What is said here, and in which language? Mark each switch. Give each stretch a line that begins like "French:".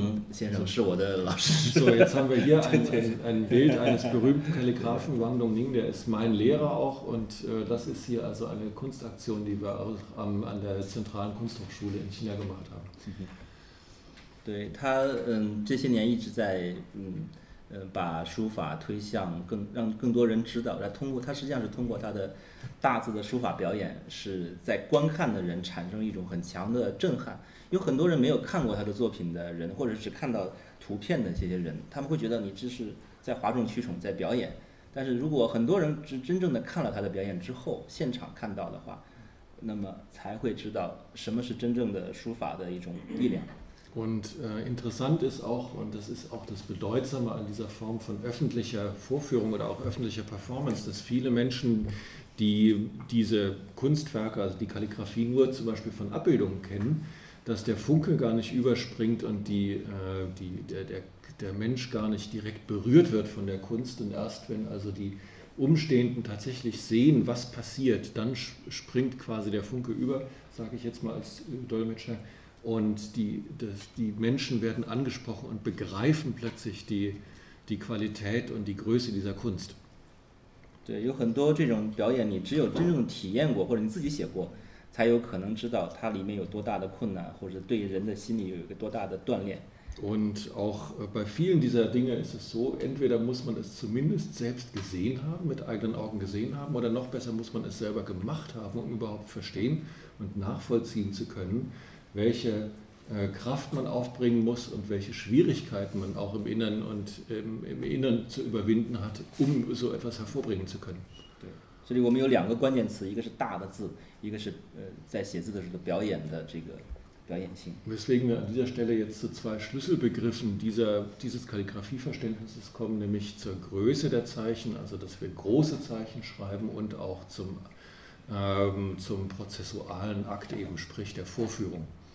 German: So, jetzt haben wir hier ein Bild eines berühmten Kalligrafen, Wang Dongning, der ist mein Lehrer auch und das ist hier also eine Kunstaktion, die wir auch an der Zentralen Kunsthochschule in China gemacht haben.
Chinese: 对，他这些年一直在把书法推向让更多人知道，他实际上是通过他的大字的书法表演，是在观看的人产生一种很强的震撼。有很多人没有看过他的作品的人，或者只看到图片的这些人，他们会觉得你这是在哗众取宠，在表演。但是如果很多人真正的看了他的表演之后，现场看到的话，那么才会知道什么是真正的书法的一种力量。
German: Und interessant ist auch, und das ist auch das Bedeutsame an dieser Form von öffentlicher Vorführung oder auch öffentlicher Performance, dass viele Menschen, die diese Kunstwerke, also die Kalligraphie nur zum Beispiel von Abbildungen kennen, dass der Funke gar nicht überspringt und der Mensch gar nicht direkt berührt wird von der Kunst. Und erst wenn also die Umstehenden tatsächlich sehen, was passiert, dann springt quasi der Funke über, sage ich jetzt mal als Dolmetscher, und die Menschen werden angesprochen und begreifen plötzlich die Qualität und die Größe dieser Kunst.
Chinese: 对，有很多这种表演，你只有真正体验过或者你自己写过，才有可能知道它里面有多大的困难，或者对人的心理有一个多大的锻炼。
German: Und auch bei vielen dieser Dinge ist es so: Entweder muss man es zumindest selbst gesehen haben, mit eigenen Augen gesehen haben, oder noch besser muss man es selber gemacht haben, um überhaupt verstehen und nachvollziehen zu können. Welche Kraft man aufbringen muss und welche Schwierigkeiten man auch im Inneren und im Inneren zu überwinden hat, um so etwas hervorbringen zu können.
Chinese: 对，这里我们有两个关键词，一个是大的字，一个是在写字的时候表演的这个表演性。
German: Weswegen wir an dieser Stelle jetzt zu zwei Schlüsselbegriffen dieses Kalligraphieverständnisses kommen, nämlich zur Größe der Zeichen, also dass wir große Zeichen schreiben und auch zum prozessualen Akt eben, sprich der Vorführung.